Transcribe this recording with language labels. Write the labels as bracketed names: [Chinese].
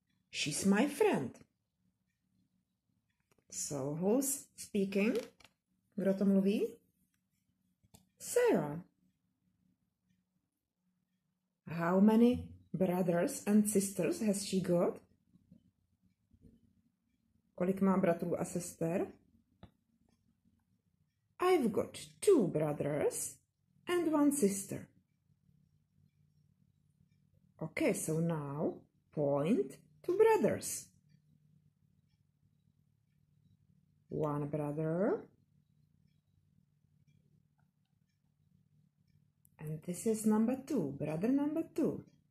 [English] She's my friend. So, who's speaking? [Czech] Kdo to mluví? [English] Sarah. How many brothers and sisters has she got? [Czech] Kolik má bratrů a sester? [English] I've got two brothers and one sister. Okay, so now point to brothers. One brother, and this is number two, brother number two.